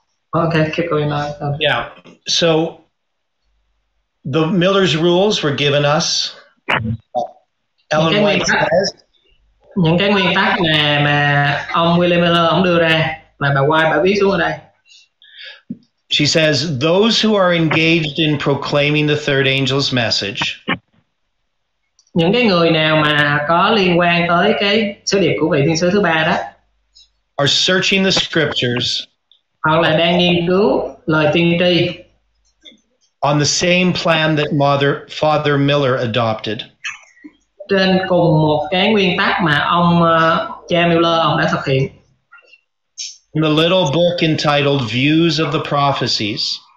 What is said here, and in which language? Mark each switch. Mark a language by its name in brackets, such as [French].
[English] Okay, keep going on. Yeah. So the Miller's rules were given us. Ellen White says. [Vietnamese] Những cái nguyên tắc mà ông William Miller ông đưa ra mà bà White bà viết xuống ở đây. [English] She says those who are engaged in proclaiming the third angel's message. [Vietnamese] Những cái người nào mà có liên quan tới cái sứ điệp của vị thiên sứ thứ ba đó. [English] Are searching the scriptures. [Vietnamese] Hoặc là đang nghiên cứu lời tiên tri. [English] On the same plan that Father Miller adopted. [Vietnamese] Trên cùng một cái nguyên tắc mà ông cha Miller ông đã thực hiện. [English] In the little book entitled Views of the Prophecies.